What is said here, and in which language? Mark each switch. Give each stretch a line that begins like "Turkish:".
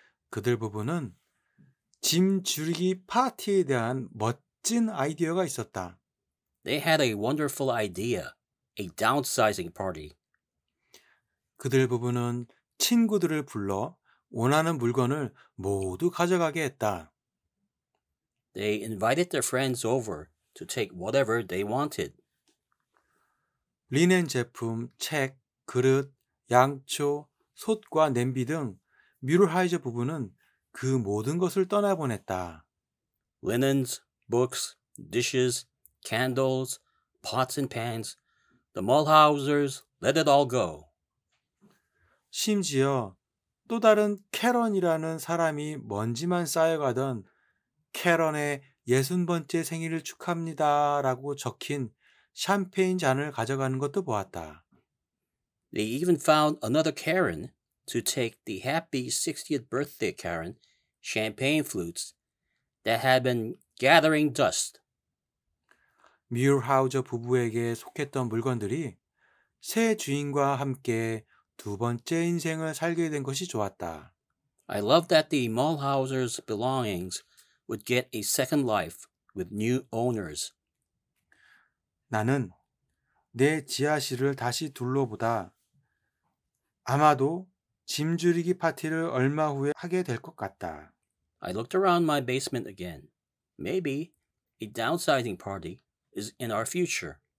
Korean: 그들 부부는 짐 줄이기 파티에 대한 멋진 아이디어가 있었다.
English: They had a wonderful idea, a downsizing party.
Korean: 그들 부부는 친구들을 불러 원하는 물건을 모두 가져가게 했다.
English: They invited their friends over to take whatever they wanted.
Korean: 리넨 제품, 책, 그릇, 양초, 솥과 냄비 등 뮤럴하이저 부부는 그 모든 것을 떠나보냈다.
English: Linens, books, dishes, candles, pots and pans, the Mulhausers let it all go.
Korean: 심지어 또 다른 캐런이라는 사람이 먼지만 쌓여가던 캐런의 60번째 생일을 축하합니다 라고 적힌 샴페인 잔을 가져가는 것도 보았다.
English: They even found another Karen to take the happy 60th birthday Karen champagne flutes that had been gathering dust.
Korean: 뮬하우저 부부에게 속했던 물건들이 새 주인과 함께 두 번째 인생을 살게 된 것이 좋았다.
English: I love that the Mulhauser's belongings would get a second life with new owners.
Korean: 나는 내 지하실을 다시 둘러보다 아마도 짐 줄이기 파티를 얼마 후에 하게 될 것 같다.
English: I looked around my basement again. Maybe a downsizing party is in our future.